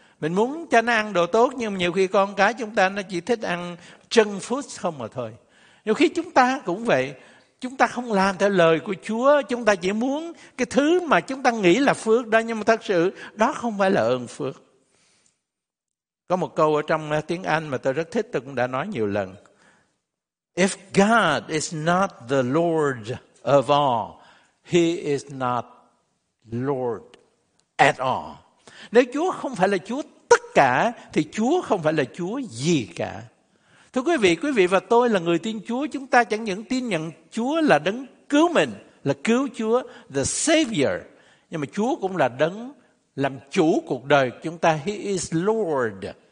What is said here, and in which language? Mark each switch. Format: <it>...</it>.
<vi>Mình muốn cho nó ăn đồ tốt, nhưng mà nhiều khi con cái chúng ta nó chỉ thích ăn junk food không mà thôi. Nhiều khi chúng ta cũng vậy. Chúng ta không làm theo lời của Chúa, chúng ta chỉ muốn cái thứ mà chúng ta nghĩ là phước đó, nhưng mà thật sự đó không phải là ơn phước. Có một câu ở trong tiếng Anh mà tôi rất thích, tôi cũng đã nói nhiều lần.</vi> <en>If God is not the Lord of all, He is not Lord at all.</en> <vi>Nếu Chúa không phải là Chúa tất cả, thì Chúa không phải là Chúa gì cả. Thưa quý vị và tôi là người tin Chúa, chúng ta chẳng những tin nhận Chúa là đấng cứu mình, là cứu Chúa, the Savior, nhưng mà Chúa cũng là đấng làm chủ cuộc đời của chúng ta,</vi> <en>He is Lord.</en>